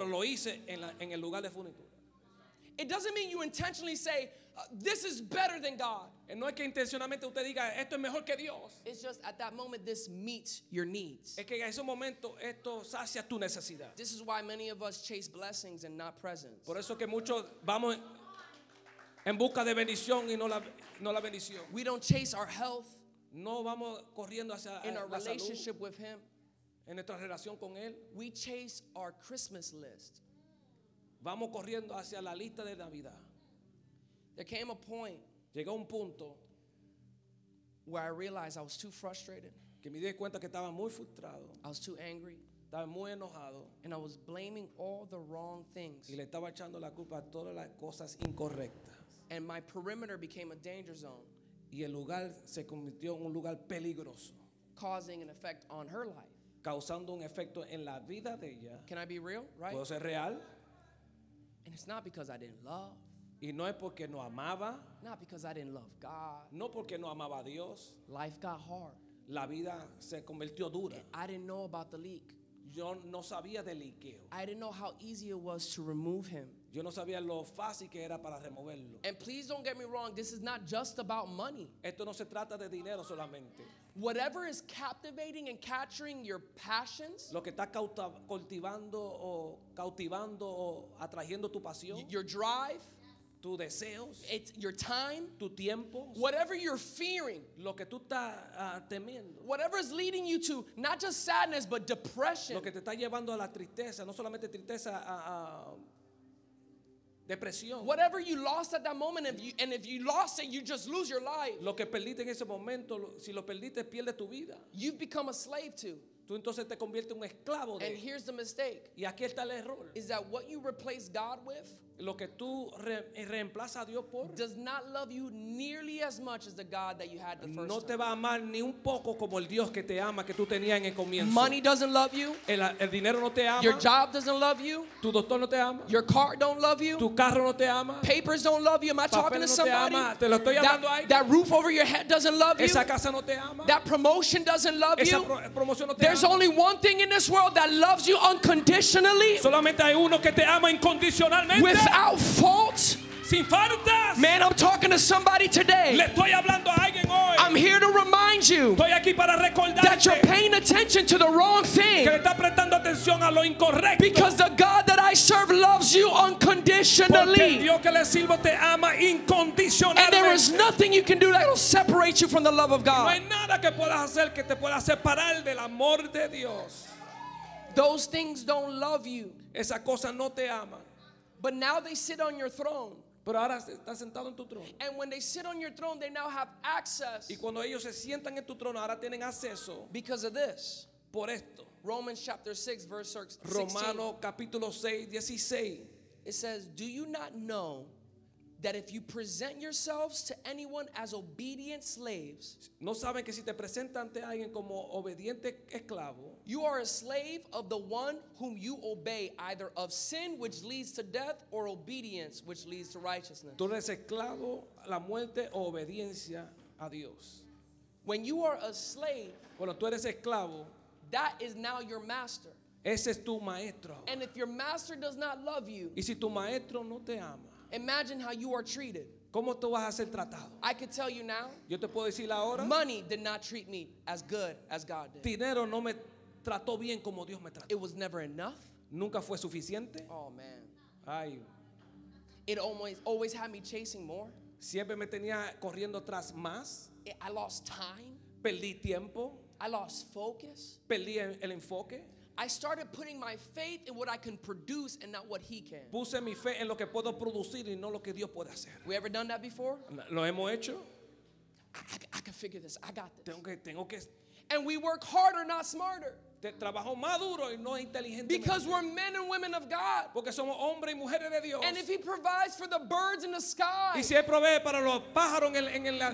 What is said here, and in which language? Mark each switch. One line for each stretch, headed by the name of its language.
Spanish: Pero lo hice en el lugar de furnitura.
English: It doesn't mean you intentionally say, this is better than God.
Spanish: No es que intencionalmente usted diga, esto es mejor que Dios.
English: It's just at that moment this meets your needs.
Spanish: Es que en ese momento esto sacia tu necesidad.
English: This is why many of us chase blessings and not presents.
Spanish: Por eso que muchos vamos en busca de bendición y no la bendición.
English: We don't chase our health.
Spanish: No vamos corriendo hacia la salud.
English: In our relationship with him.
Spanish: En nuestra relación con él.
English: We chase our Christmas list.
Spanish: Vamos corriendo hacia la lista de Navidad.
English: There came a point.
Spanish: Llegó un punto.
English: Where I realized I was too frustrated.
Spanish: Que me di cuenta que estaba muy frustrado.
English: I was too angry.
Spanish: Estaba muy enojado.
English: And I was blaming all the wrong things.
Spanish: Y le estaba echando la culpa a todas las cosas incorrectas.
English: And my perimeter became a danger zone.
Spanish: Y el lugar se convirtió en un lugar peligroso.
English: Causing an effect on her life.
Spanish: Causando un efecto en la vida de ella.
English: Can I be real? Right?
Spanish: ¿Puedo ser real?
English: And it's not because I didn't love.
Spanish: Y no es porque no amaba.
English: Not because I didn't love God.
Spanish: No porque no amaba a Dios.
English: Life got hard.
Spanish: La vida se convirtió dura.
English: And I didn't know about the leak.
Spanish: Yo no sabía del liqueo.
English: I didn't know how easy it was to remove him.
Spanish: Yo no sabía lo fácil que era para removerlo.
English: And please don't get me wrong, this is not just about money.
Spanish: Esto no se trata de dinero solamente.
English: Whatever is captivating and capturing your passions,
Spanish: lo que está cautivando o atrayendo tu pasión,
English: your drive,
Spanish: tu deseos,
English: it's your time,
Spanish: tu tiempo,
English: whatever you're fearing,
Spanish: lo que tú estás temiendo,
English: whatever is leading you to not just sadness but depression,
Spanish: lo que te está llevando a la tristeza, no solamente tristeza, depresión,
English: whatever you lost at that moment, if you lost it, you just lose your life,
Spanish: lo que perdiste en ese momento, si lo perdiste pierde tu vida,
English: you've become a slave to.
Spanish: Tú entonces te conviertes en un esclavo de.
English: And here's the mistake.
Spanish: Y aquí está el error.
English: Is that what you replace God with?
Spanish: Lo que tú reemplazas a Dios por.
English: Does not love you nearly as much as the God that you had the first time.
Spanish: No te va a amar ni un poco como el Dios que te ama que tú tenías en el comienzo.
English: Money doesn't love you.
Spanish: El dinero no te ama.
English: Your job doesn't love you.
Spanish: Tu doctor no te ama.
English: Your car don't love you.
Spanish: Tu carro no te ama.
English: Papers don't love you. Am I talking to somebody?
Spanish: Te lo estoy hablando ahí.
English: That roof over your head doesn't love you.
Spanish: Esa casa no te ama.
English: That promotion doesn't love you.
Spanish: Esa promoción no te.
English: There's only one thing in this world that loves you unconditionally.
Spanish: Solamente hay uno que te ama incondicionalmente.
English: Without fault.
Spanish: Sin faltas.
English: Man, I'm talking to somebody today.
Spanish: Le estoy hablando a alguien hoy.
English: I'm here to remind you.
Spanish: Estoy aquí para recordarte
English: that you're paying attention to the wrong thing.
Spanish: Que le está prestando atención a lo incorrecto.
English: Because the God that I serve loves you unconditionally.
Spanish: Porque el Dios que le sirvo te ama incondicionalmente.
English: And there is nothing you can do that will separate you from the love of God.
Spanish: No hay nada que puedas hacer que te pueda separar del amor de Dios.
English: Those things don't love you.
Spanish: Esa cosa no te ama.
English: But now they sit on your throne.
Spanish: Pero ahora está sentado en tu trono.
English: And when they sit on your throne, they now have access.
Spanish: Y cuando ellos se sientan en tu trono, ahora tienen acceso.
English: Because of this.
Spanish: Por esto.
English: Romans chapter 6, verse 16.
Spanish: Romano capítulo 6, 16.
English: It says, do you not know that if you present yourselves to anyone as obedient slaves,
Spanish: no saben que si te presentan ante alguien como obediente esclavo,
English: you are a slave of the one whom you obey, either of sin which leads to death or obedience which leads to righteousness.
Spanish: Tú eres esclavo a la muerte o obediencia a Dios.
English: When you are a slave,
Spanish: cuando tú eres esclavo,
English: that is now your master.
Spanish: Ese es tu maestro.
English: And if your master does not love you,
Spanish: y si tu maestro no te ama,
English: imagine how you are treated.
Spanish: ¿Cómo tú vas a ser tratado?
English: I can tell you now.
Spanish: Yo te puedo decir ahora.
English: Money did not treat me as good as God did.
Spanish: Dinero no me trató bien como Dios me trató.
English: It was never enough.
Spanish: Nunca fue suficiente.
English: Oh man.
Spanish: Ay.
English: It always had me chasing more.
Spanish: Siempre me tenía corriendo tras más.
English: I lost time.
Spanish: Perdí tiempo.
English: I lost focus.
Spanish: Perdí el enfoque.
English: I started putting my faith in what I can produce and not what he can.
Spanish: Puse mi fe en lo que puedo producir y no lo que Dios puede hacer.
English: We ever done that before?
Spanish: Lo hemos hecho.
English: I can figure this. I got this.
Spanish: Tengo que.
English: And we work harder, not smarter.
Spanish: trabajo más duro y no inteligente.
English: Because we're men and women of God.
Spanish: Porque somos hombres y mujeres de Dios.
English: And if he provides for the birds in the sky.
Spanish: Y si él provee para los pájaros en la,